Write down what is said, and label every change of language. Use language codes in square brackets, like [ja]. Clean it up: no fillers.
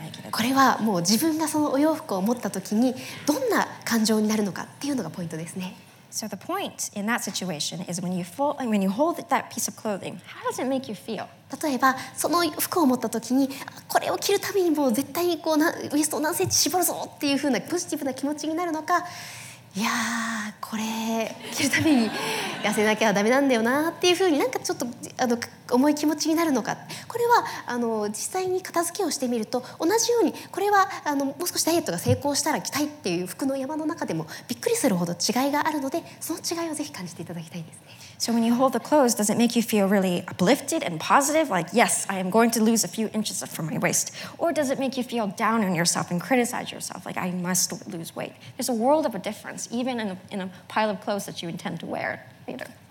[ja] これはもう自分がそのお洋服を持った時にどんな感情になるのかっていうのがポイントですね。 [en] So the point in that situation is when you fall, when you hold that piece of clothing, how does it make you feel? [ja] 例えばその服を持った時にこれを着るためにもう絶対こうウエストを何センチ絞るぞっていうふうなポジティブな気持ちになるのか、いやこれ着るために痩せなきゃダメなんだよなっていうふうになんかちょっと重い気持ちになるのか、これは実際に片付けをしてみると同じように、これはもう少しダイエットが成功したら着たいっていう服の山の中でもびっくりするほど違いがあるので、その違いをぜひ感じていただきたいですね。 [en] So when you hold the clothes, does it make you feel really uplifted and positive? Like, yes, I am going to lose a few inches from my waist. Or does it make you feel down on yourself and criticize yourself? Like, I must lose weight. There's a world of a difference, even in a pile of clothes that you intend to wear later.